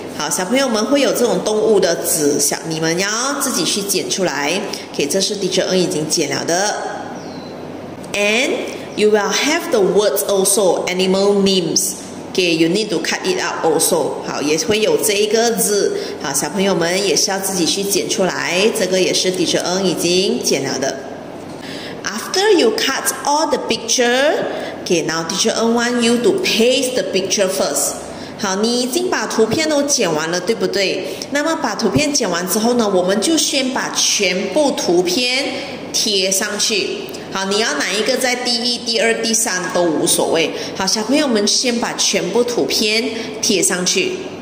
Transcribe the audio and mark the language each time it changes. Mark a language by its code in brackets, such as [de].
[zh] 好，小朋友们会有这种动物的纸，想你们要自己去剪出来。 Okay, 这是 teacher Ng 已经剪了的。 [en] And you will have the words also, animal names. Okay, you need to cut it out also. [zh] 好，也会有这一个字。好，小朋友们也是要自己去剪出来。这个也是 teacher Ng 已经剪了的。 [en] After you cut all the picture, okay, now teacher Ng want you to paste the picture first. [zh] 好，你已经把图片都剪完了，对不对？那么把图片剪完之后呢，我们就先把全部图片贴上去。好，你要哪一个在第一、第二、第三都无所谓。好，小朋友们先把全部图片贴上去。